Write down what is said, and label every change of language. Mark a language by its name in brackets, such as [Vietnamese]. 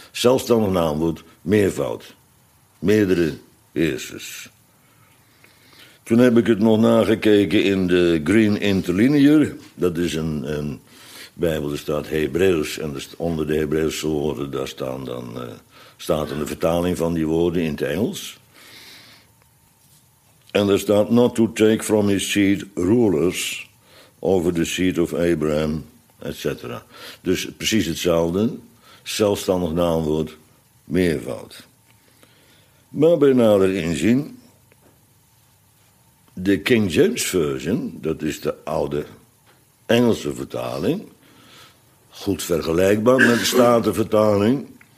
[Dutch] Zelfstandig naamwoord, meervoud. Meerdere heersers. Toen heb ik het nog nagekeken in de Green Interlinear. Dat is een Bijbel, er staat Hebreeuws en onder de Hebreeuwse woorden daar staan dan staat een vertaling van die woorden in het Engels. En er staat [English] not to take from his seed rulers over the seed of Abraham, etc. [Dutch] Dus precies hetzelfde, zelfstandig naamwoord, meervoud. Maar bij nader inzien, de King James Version, dat is de oude Engelse vertaling, goed vergelijkbaar met de Statenvertaling.